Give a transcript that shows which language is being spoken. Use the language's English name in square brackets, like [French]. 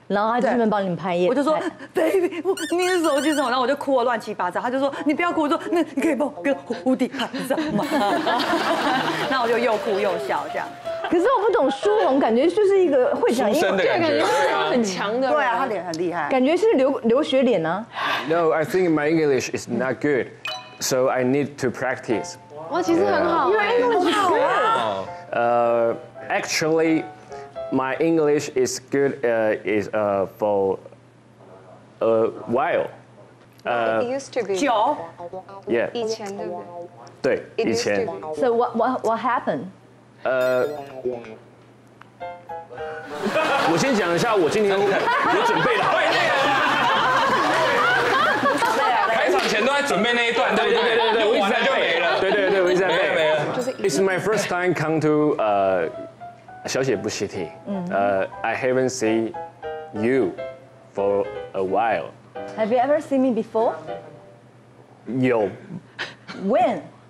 [Chinese] 然后他就专门帮你们拍耶。我就说 ，baby， 你的手机什么？然后我就哭了乱七八糟。他就说你不要哭，我说那你可以帮我跟胡迪拍照吗？然后我就又哭又笑这样。可是我不懂舒红，感觉就是一个会讲英文的感觉，是很强的。对啊，他脸很厉害，感觉是留学脸啊。 [English] No, I think my English is not good, so I need to practice. [Chinese] 哇，其实很好，因为英文很好啊。 [English] Actually, my English is good for a while. It used to be. [Chinese] 久。 [English] Yeah. [Chinese] 以前对不对？对，以前。 [English] So what happened? [Chinese] 我先讲一下，我今天有准备了。对对对，开场前都在准备那一段，对对对对对，我一直在就没了。对对对，我一直在没了。 [English] 就是 It's my first time come to 小姐不 city。 I haven't seen you for a while. Have you ever seen me before? [Chinese] 有。 [English] When?